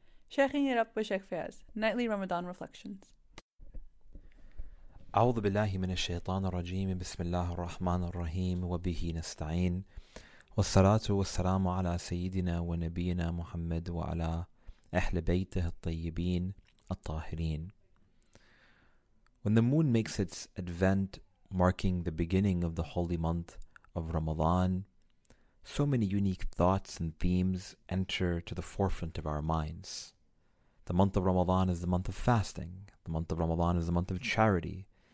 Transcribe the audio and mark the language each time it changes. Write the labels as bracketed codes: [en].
[en] Sheikhing it up with Sheikh Fayaz, nightly Ramadan reflections. [ar] أعوذ بالله من الشيطان الرجيم بسم الله الرحمن الرحيم وبه نستعين والصلاة والسلام على سيدنا ونبينا محمد وعلى أهل بيته الطيبين الطاهرين. [en] When the moon makes its advent, marking the beginning of the holy month of Ramadan, so many unique thoughts and themes enter to the forefront of our minds. The month of Ramadan is the month of fasting. The month of Ramadan is the month of charity.